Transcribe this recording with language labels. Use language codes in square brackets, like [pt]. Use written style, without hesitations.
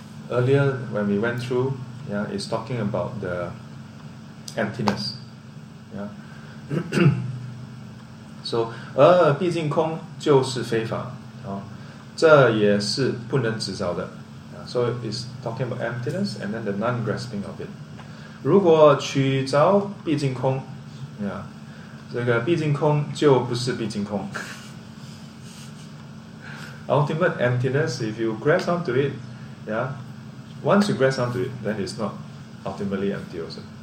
[en] Earlier when we went through, yeah, it's talking about the emptiness. Yeah. [zh] So, 而毕竟空就是非法, 这也是不能执着的。 [en] So, it's talking about emptiness and then the non-grasping of it. [zh] 如果取着毕竟空, yeah, 这个毕竟空就不是毕竟空。 [en] Ultimate emptiness, if you grasp onto it, yeah, once you grasp onto it, then it's not ultimately empty also.